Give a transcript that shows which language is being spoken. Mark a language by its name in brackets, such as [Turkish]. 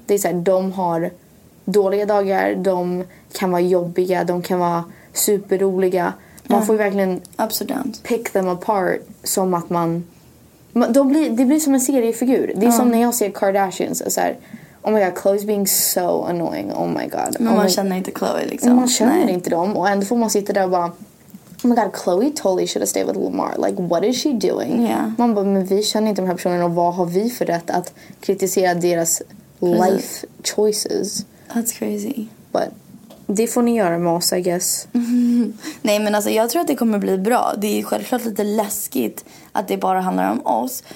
[Swedish] Det är så här, de har dåliga dagar, de kan vara jobbiga, de kan vara superroliga. Man får ju verkligen [English] pick them apart [Swedish] som att man... Det blir som en seriefigur. Det är som när jag ser Kardashians, så här... [English] Oh my god, Khloe's being so annoying. Oh my god. [Swedish] Men [English] oh [Swedish] man [English] my... [Swedish] känner inte Khloe liksom. Man känner inte dem. Och ändå får man sitta där och bara... [English] Oh my god, Khloe totally should have stayed with Lamar. Like, what is she doing? Yeah. [Swedish] Man bara, men vi känner inte de här personerna. Och vad har vi för rätt att kritisera deras [English] life choices? That's crazy. But [Swedish] det får ni göra med oss, [English] I guess. [Swedish] Nej, men alltså, jag tror att det kommer bli bra. Det är självklart lite läskigt att det bara handlar om oss.